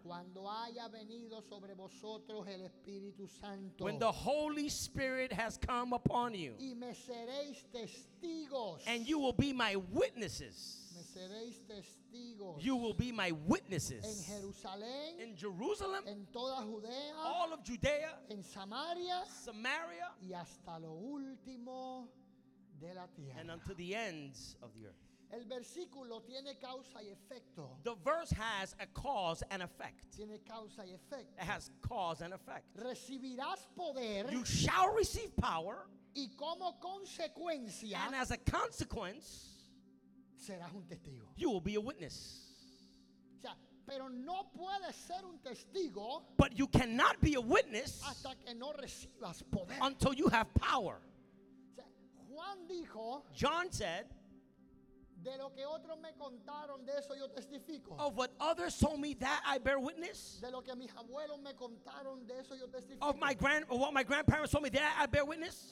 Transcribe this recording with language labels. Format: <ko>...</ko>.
<es>Cuando haya venido sobre vosotros el Espíritu Santo.</es> <en>When the Holy Spirit has come upon you.</en> <es>Y me seréis testigos.</es> <en>And you will be my witnesses.</en> <es>Me seréis testigos.</es> <en>You will be my witnesses.</en> <es>En Jerusalén.</es> <en>In Jerusalem.</en> <es>En toda Judea.</es> <en>All of Judea.</en> <es>En Samaria.</es> <en>Samaria.</en> <es>Y hasta lo último de la tierra.</es> <en>And unto the ends of the earth.</en> <es>El versículo tiene causa y efecto.</es> <en>The verse has a cause and effect.</en> <es>Tiene causa y efecto.</es> <en>It has cause and effect.</en> <es>Recibirás poder.</es> <en>You shall receive power.</en> <es>Y como consecuencia.</es> <en>And as a consequence.</en> <es>Serás un testigo.</es> <en>You will be a witness.</en> <es>O sea, pero no puedes ser un testigo.</es> <en>But you cannot be a witness.</en> <es>Hasta que no recibas poder.</es> <en>Until you have power.</en> <es>O sea, Juan dijo.</es> <en>John said.</en> <es>De lo que otros me contaron, de eso yo testifico.</es> <en>Of what others told me, that I bear witness.</en> <es>De lo que mis abuelos me contaron, de eso yo testifico.</es> <en>Of my grand, or what my grandparents told me, that I bear witness.</en>